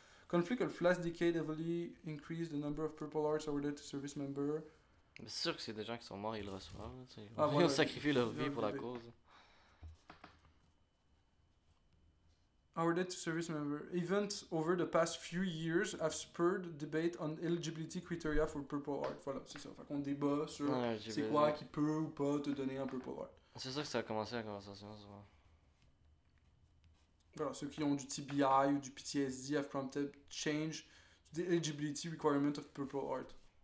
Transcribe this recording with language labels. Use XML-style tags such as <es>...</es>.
<en>Conflict of last decade heavily increased the number of Purple Hearts awarded to service member.</en> <fr>Mais c'est sûr que c'est des gens qui sont morts, ils le reçoivent. Tu sais. Ah, ils ouais, ont sacrifié leur vie pour la cause.</fr> <en>Awarded to service member. Events over the past few years have spurred debate on eligibility criteria for Purple Heart.</en> <fr>Voilà, c'est ça. Fait qu'on débat sur c'est quoi qui peut ou pas te donner un Purple Heart. C'est ça que ça a commencé la conversation, ça. Voilà, ceux qui ont du TBI ou du PTSD</fr> <en>have prompted change to the eligibility requirement of Purple Heart.</en>